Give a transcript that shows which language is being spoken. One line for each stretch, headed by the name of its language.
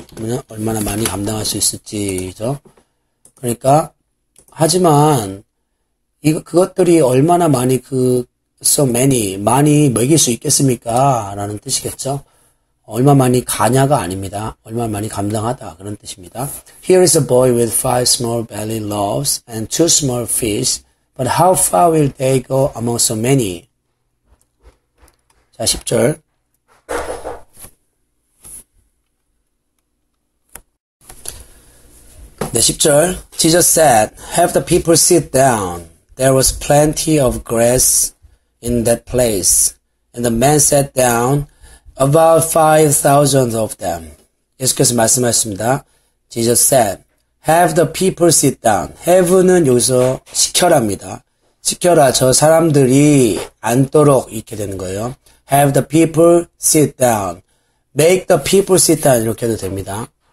Korean: 그러면 얼마나 많이 감당할 수 있을지죠. 그러니까 하지만 이거 그것들이 얼마나 많이 그 so many 많이 먹일 수 있겠습니까라는 뜻이겠죠. 얼마 많이 가냐가 아닙니다. 얼마 많이 감당하다 그런 뜻입니다.
English: Here is a boy with 5 small barley loaves and 2 small fish. But how far will they go among so many?
Korean: 자, 10절. 네, 10절.
English: Jesus said, Have the people sit down. There was plenty of grass in that place. And the men sat down, about 5,000 of them.
Korean: 예수께서 말씀하셨습니다.
English: Jesus said, Have the people sit down. Have는
Korean: 여기서 시켜랍니다. 시켜라, 저 사람들이 앉도록 이렇게 되는 거예요.
English: Have the people sit down. Make the people sit down.
Korean: 이렇게 해도 됩니다.